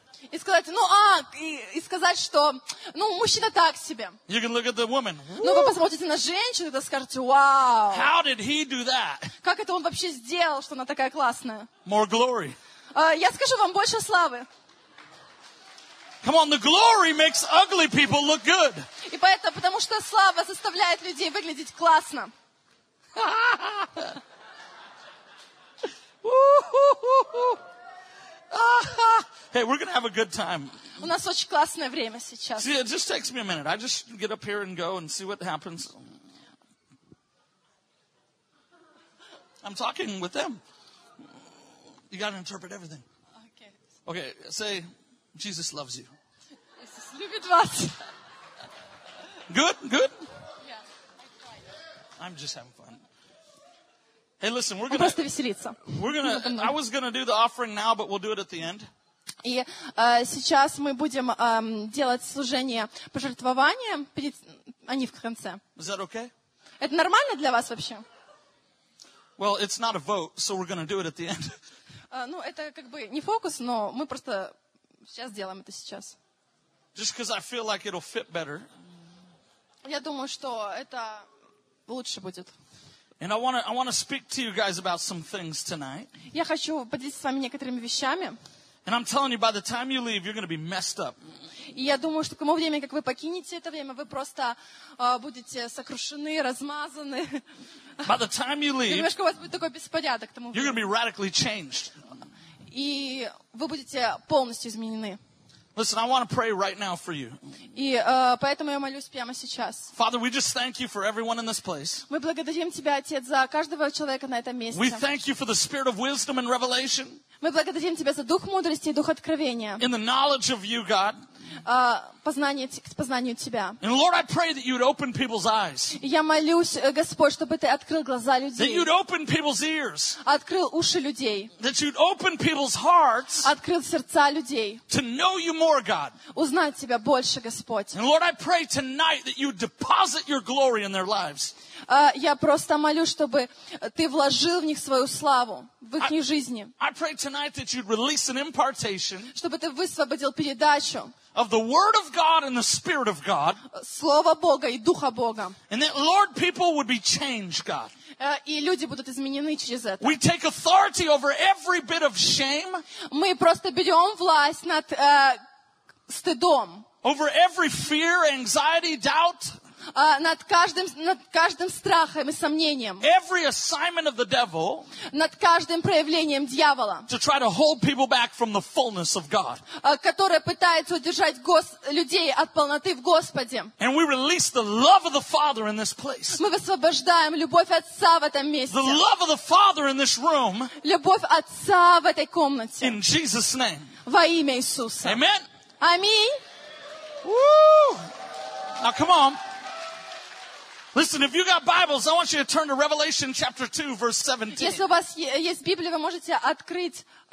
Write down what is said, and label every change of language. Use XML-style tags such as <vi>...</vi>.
<ru>И сказать, и сказать, что, мужчина так себе.</ru> <en>You can look at the woman.</en> <ru>Ну, вы посмотрите на женщину, и скажете, вау.</ru> <en>How did he do that?</en> <ru>Как это он вообще сделал, что она такая классная?</ru> <en>More glory.</en> <ru>Я скажу вам больше славы.</ru> <en>Come on, the glory makes ugly people look good.</en> <ru>И поэтому, потому что слава заставляет людей выглядеть классно.</ru> <en>Hey, we're gonna have a good time.</en> <ru>У нас очень классное время сейчас.</ru> <en>See, it just takes me a minute. I just get up here and go and see what happens. I'm talking with them. You gotta interpret everything. Okay. Okay. Say, Jesus loves you.</en> <ru>Jesus любит вас.</ru> <en>Good, good. I'm just having fun. Hey, listen, we're gonna.</en> <ru>Просто веселиться.</ru> <en>We're gonna. I was gonna do the offering now, but we'll do it at the end.</en> <ru>И сейчас мы будем делать служение пожертвования, перед, а не в конце.</ru> <en>Is that okay?</en> <ru>Это нормально для вас вообще?</ru> <en>Well, it's not a vote, so we're gonna do it at the end.</en> <ru>Ну, это как бы не фокус, но мы просто сейчас делаем это сейчас.</ru> <en>Just because I feel like it'll fit better.</en> <ru>Я думаю, что это лучше будет.</ru> <en>And I wanna speak to you guys about some things tonight.</en> <ru>Я хочу поделиться с вами некоторыми вещами.</ru> <en>And I'm telling you, by the time you leave, you're gonna be messed up.</en> <ru>И я думаю, что к тому времени, как вы покинете это время, вы просто будете сокрушены, размазаны.</ru> <en>By the time you leave,</en> <ru>немножко у вас будет такой беспорядок к тому времени.</ru> <en>You're gonna be radically changed.</en> <ru>И вы будете полностью изменены.</ru> <en>Listen, I want to pray right now for you.</en> <ru>И поэтому я молюсь прямо сейчас.</ru> <en>Father, we just thank you for everyone in this place.</en> <ru>Мы благодарим тебя, Отец, за каждого человека на этом месте.</ru> <en>We thank you for the spirit of wisdom and revelation.</en> <ru>Мы благодарим тебя за дух мудрости и дух откровения.</ru> <en>In the knowledge of you, God.</en> <ru>Познанию тебя.</ru> <en>And Lord, I pray that you'd open people's eyes.</en> <ru>Я молюсь, Господь, чтобы ты открыл глаза людей.</ru> <en>That you'd open people's ears.</en> <ru>Открыл уши людей.</ru> <en>That you'd open people's hearts.</en> <ru>Открыл сердца людей.</ru> <en>To know you more, God.</en> <ru>Узнать тебя больше, Господь.</ru> <en>And Lord, I pray tonight that you'd deposit your glory in their lives.</en> <ru>Я просто молюсь, чтобы ты вложил в них свою славу, в их жизни.</ru> <en>I pray tonight that you'd release an impartation.</en> <ru>Чтобы ты высвободил передачу.</ru> <en>Of the word of God and the spirit of God.</en> <ru>Слово Бога и Духа Бога.</ru> <en>And that, Lord, people would be changed, God.</en> <ru>И люди будут изменены через это.</ru> <en>We take authority over every bit of shame.</en> <ru>Мы просто берем власть над стыдом.</ru> <en>Over every fear, anxiety, doubt.</en> <ru>Над каждым страхом и сомнением.</ru> <en>Every assignment of the devil.</en> <ru>Над каждым проявлением дьявола.</ru> <en>To try to hold people back from the fullness of God.</en> <ru>Которая пытается удержать людей от полноты в Господе.</ru> <en>And we release the love of the Father in this place.</en> <ru>Мы высвобождаем любовь Отца в этом месте.</ru> <en>The love of the Father in this room.</en> <ru>Любовь Отца в этой комнате.</ru> <en>In Jesus' name.</en> <ru>Во имя Иисуса.</ru> <en>Amen.</en> <ru>Аминь.</ru> <en>Woo! Now come on. Listen, if you got Bibles, I want you to turn to Revelation chapter 2, verse 17.</en> <ru>Если у вас есть Библия, вы можете открыть</ru>